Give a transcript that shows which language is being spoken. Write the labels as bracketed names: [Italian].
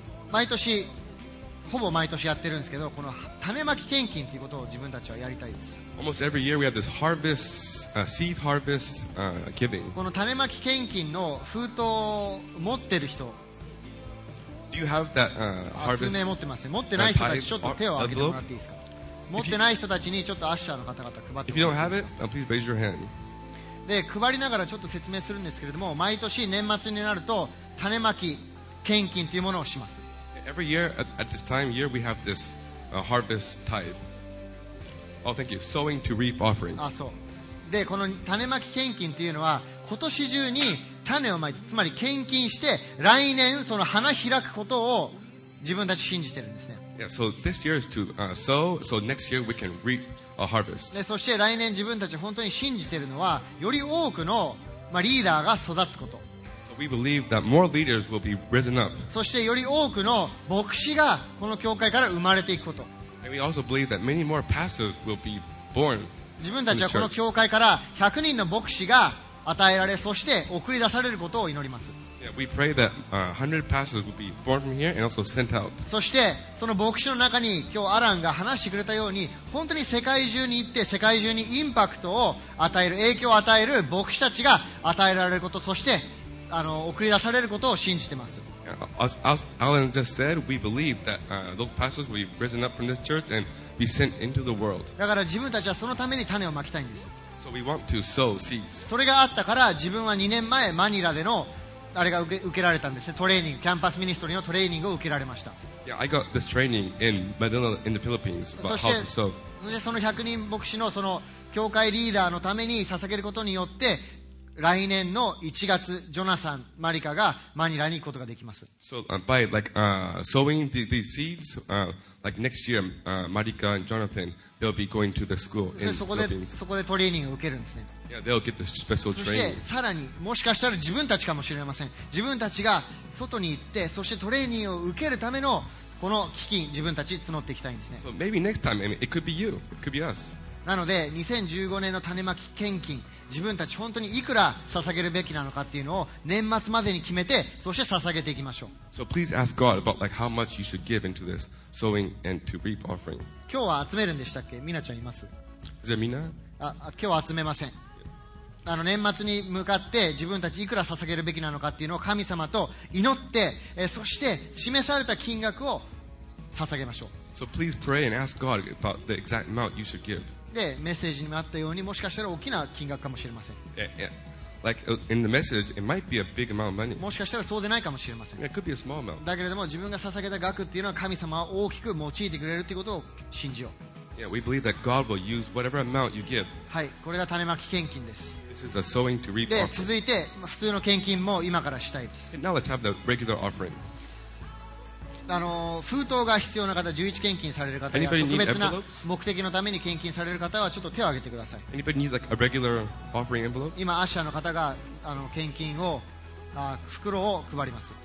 [Japanese] 毎年、ほぼ毎年やってるんですけど、この種まき献金ということを自分たちはやりたいです。 [English] Almost every year we have this harvest, seed harvest, giving. [Japanese] この種まき献金の封筒を持ってる人、 [English] Do you have that, harvest? [Japanese] 数名持ってますね。持ってない人たちちょっと手を挙げてもらっていいですか。持ってない人たちにちょっとアッシャーの方々配ってもらっていいですか。 [English] If you don't have it, please raise your hand. [Japanese] で、配りながらちょっと説明するんですけれども、毎年年末になると種まき献金というものをします。 [English] Every year at this time of year we have this harvest tithe. Oh, thank you. Sowing to reap offering. [Japanese] あ、そう。で、この種まき献金というのは今年中に種をまいて、つまり献金して来年その花開くことを自分たち信じてるんですね。 [English] Yeah, so this year is to sow, so next year we can reap a harvest. [Japanese] で、そして来年自分たち本当に信じてるのは、より多くの、まあ、リーダーが育つこと。 [English] So we believe that more leaders will be risen up. [Japanese] そしてより多くの牧師がこの教会から生まれていくこと。 [English] And we also believe that many more pastors will be born. [Japanese] 自分たちはこの教会から100人の牧師が与えられ、そして送り出されることを祈ります。 [English] yeah, we pray that, 100 pastors will be born from here and also sent out. [Japanese] そしてその牧師の中に、今日アランが話してくれたように、本当に世界中に行って世界中にインパクトを与える、影響を与える牧師たちが与えられること、そして送り出されることを信じてます。 [English] yeah, as Alan just said, we believe that, those pastors will be risen up from this church and be sent into the world. [Japanese] だから自分たちはそのために種をまきたいんです。 [English] So、we want to sow seeds. [Japanese] それがあったから、自分は2年前マニラでのあれが受けられたんですね。トレーニング、キャンパスミニストリーのトレーニングを受けられました。 [English] Yeah, I got this training in Manila in the Philippines about how to sow. [Japanese] そしてその100人牧師のその教会リーダーのために捧げることによって、来年の1月、ジョナサン、マリカがマニラに行くことができます。 [English] So, by like, sowing the seeds, like next year, Marika and Jonathan, they'll be going to the school in Philippines. [Japanese] そこでトレーニングを受けるんですね。 [English] Yeah, they'll get the special training. [Japanese] そしてさらに、もしかしたら自分たちかもしれません。自分たちが外に行って、そしてトレーニングを受けるためのこの基金、自分たち募っていきたいんですね。 [English] So maybe next time, I mean, it could be you, it could be us. [Japanese] なので、2015年の種まき献金、自分たち本当にいくら捧げるべきなのかっていうのを年末までに決めて、そして捧げていきましょう。 [English] So please ask God about like how much you should give into this sowing and to reap offering. [Japanese] 今日は集めるんでしたっけ？ミナちゃんいます？ [English] Is it Mina? [Japanese] 今日は集めません。あの年末に向かって自分たちいくら捧げるべきなのかっていうのを神様と祈って、そして示された金額を捧げましょう。 [English] So please pray and ask God about the exact amount you should give. [Japanese] で、メッセージにもあったように、もしかしたら大きな金額かもしれません。 [English] Yeah, yeah. Like in the message, it might be a big amount of money. [Japanese] もしかしたらそうでないかもしれません。 [English] It could be a small amount. [Japanese] だけれども、自分が捧げた額っていうのは神様は大きく用いてくれるということを信じよう。 [English] Yeah, we believe that God will use whatever amount you give. [Japanese] はい、これが種まき献金です。 [English] This is a sowing to reap offering. [Japanese] で、続いて普通の献金も今からしたいです。 [English] And now let's have the regular offering. [Japanese] 封筒が必要な方、11献金される方や、 [English] Anybody、 [Japanese] 特別な目的のために献金される方はちょっと手を挙げてください。 [English] Anybody need like a regular offering envelope? [Japanese] 今アッシャーの方が献金を袋を配ります。